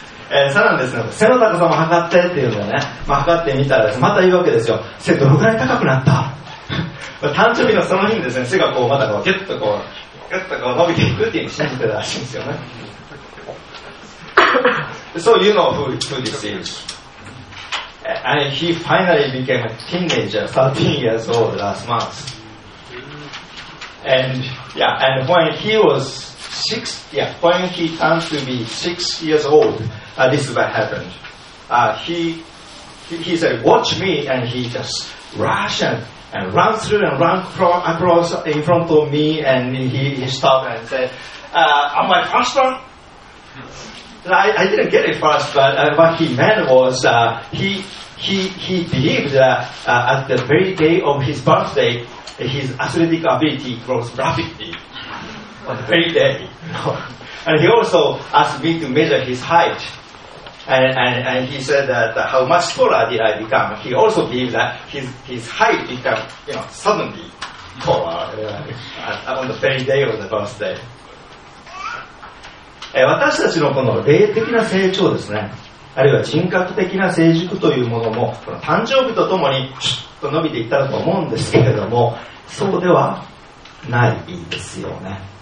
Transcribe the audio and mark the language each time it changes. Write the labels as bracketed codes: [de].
[ja] さらにですね、背の高さも測ってっていうのをね、まあ、測ってみたらですね、また言うわけですよ。背どのくらい高くなった。誕生日のその日にですね、背がこうまたこうギュッとこうグッとこう伸びていくっていうのを信じてたらしいんですよね。そういうのを風にしている。 [en] And he finally became a teenager, 13 years old last month. And yeah, and when he was six, yeah, when he turned to be 6 years old, this is what happened. He said, "Watch me," and he just rushed and run through and run across in front of me, and he stopped and said, "Am I faster?" I didn't get it first, but what he meant was he believed that at the very day of his birthday, his athletic ability grows rapidly on the very day. And he also asked me to measure his height. And he said that how much taller did I become? He also believed that his height became, you know, suddenly taller on the very day of the birthday. [ja] 私たちのこの霊的な成長ですね、あるいは人格的な成熟というものも、この誕生日とともにシュッと伸びていったと思うんですけれども、そうではないですよね。